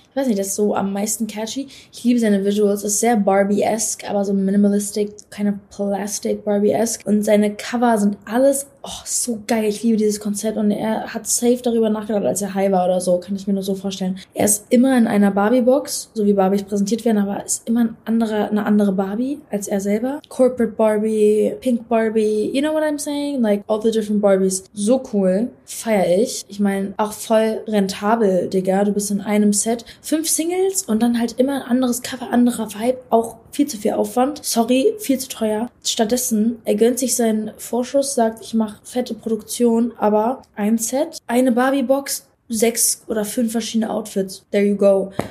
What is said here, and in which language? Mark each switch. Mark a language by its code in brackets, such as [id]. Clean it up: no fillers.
[de] Ich weiß nicht, das ist so am meisten catchy. Ich liebe seine Visuals. Ist sehr Barbie-esque, aber so [en] minimalistic, kind of plastic Barbie-esque. [de] Und seine Cover sind alles so geil. Ich liebe dieses Konzept. Und er hat safe darüber nachgedacht, als er high war oder so. Kann ich mir nur so vorstellen. Er ist immer in einer Barbie-Box, so wie Barbies präsentiert werden, aber ist immer eine andere Barbie als er selber. [en] Corporate Barbie, Pink Barbie, you know what I'm saying? Like, all the different Barbies. [de] So cool. Feier ich. Ich meine, auch voll rentabel, Digga. Du bist in einem Set. 5 Singles und dann halt immer ein anderes Cover, anderer Vibe. Auch viel zu viel Aufwand. Sorry, viel zu teuer. Stattdessen, er gönnt sich seinen Vorschuss, sagt, ich mache fette Produktion, aber ein Set, eine Barbie-Box, 6 oder 5 verschiedene Outfits. [en] There you go.